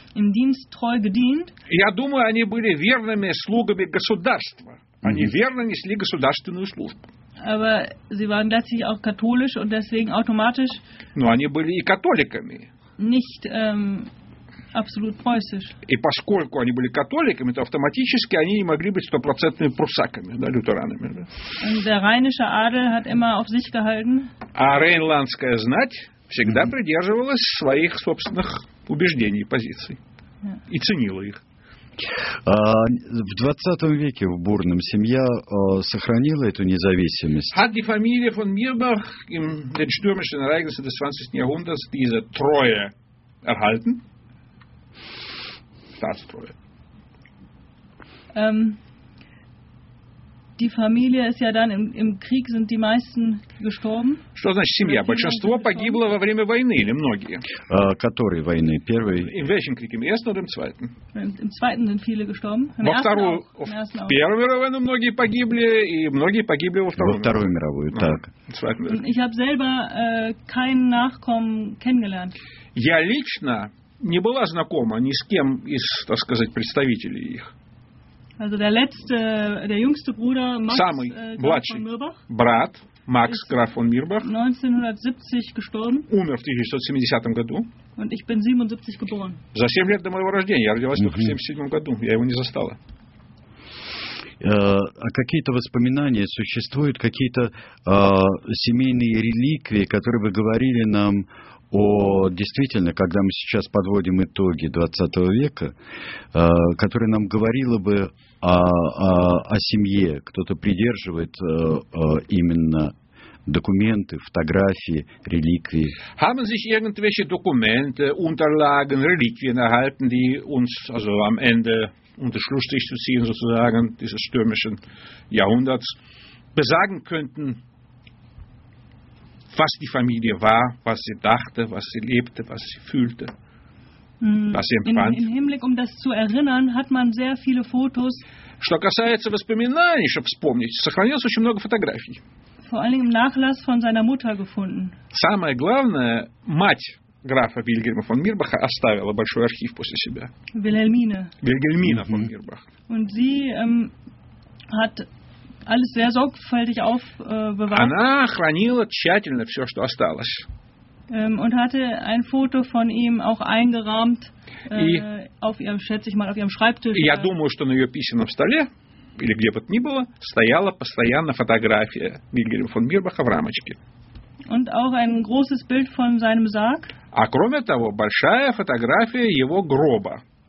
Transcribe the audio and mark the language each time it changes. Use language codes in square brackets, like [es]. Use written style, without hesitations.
[ru] Я думаю, они были верными слугами государства. Они верно несли государственную службу. [de] Aber sie waren letztlich auch katholisch und deswegen automatisch. [ru] Но они были и католиками. [de] Nicht absolut preußisch. [ru] И поскольку они были католиками, то автоматически они не могли быть стопроцентными пруссаками, да, лютеранами. [de] Und der rheinische Adel hat immer auf sich gehalten. [ru] А рейнландская знать всегда придерживалась своих собственных убеждений и позиций. И ценила их. В 20 веке в Бурном семья сохранила эту независимость. [de] Hat die Familie von Mirbach in den stürmischen Ereignissen des 20. Jahrhunderts diese Treue erhalten? Staatstreue. Die Familie ist ja dann im Krieg sind die meisten gestorben. [ru] Что значит семья? Большинство погибло во время войны или многие? Которой войны? Первой? [de] In welchem Krieg? Im ersten oder im zweiten? Im zweiten sind viele gestorben. [ru] Во вторую. В Первую мировую войну многие погибли, и многие погибли во вторую. Во вторую мировую, так. [de] Ich habe selber keinen Nachkommen kennengelernt. [ru] Я лично не была знакома ни с кем из, так сказать, представителей их. [de] Also der letzte, der jüngste Bruder Max, [ru] самый младший [de] von Mirbach, [ru] брат Макс граф фон Мирбах, [de] 1970 gestorben, [ru] умер в 1970 году. [de] Und ich bin 77 geboren. [ru] За 7 лет до моего рождения. Я родилась только в 1977 году. Я его не застала. какие-то воспоминания существуют, какие-то семейные реликвии, которые бы говорили нам о, действительно, когда мы сейчас подводим итоги 20 века, которые нам говорило бы о семье, кто-то придерживает именно документы, фотографии, реликвии. [de] Haben sich irgendwelche Dokumente, Unterlagen, Reliquien erhalten, die uns also am Ende unter Schlussstrich zu ziehen sozusagen dieses stürmischen Jahrhunderts besagen könnten, was die Familie war, was sie dachte, was sie lebte, was sie fühlte, was sie empfand. Im Hinblick, um das zu erinnern, hat man sehr viele Fotos. [ru] Что касается воспоминаний, чтобы вспомнить, сохранилось очень много фотографий. [de] Vor allem im Nachlass von seiner Mutter gefunden. [ru] Самое главное, мать графа Вильгельма фон Мирбаха оставила большой архив после себя. Вильгельмина фон Мирбах. [de] Und sie hat alles sehr sorgfältig aufbewahrt. [ru] Она хранила тщательно все, что осталось. [de] Und hatte ein Foto von ihm auch eingerahmt auf ihrem, schätze ich mal, auf ihrem Schreibtisch. [ru] Я думаю, что на ее письменном столе или где бы то ни было, стояла постоянно фотография Вильгельма фон Мирбаха в рамочке. [de] Und auch ein großes Bild von seinem Sarg. [ru] А кроме того, большая фотография его гроба.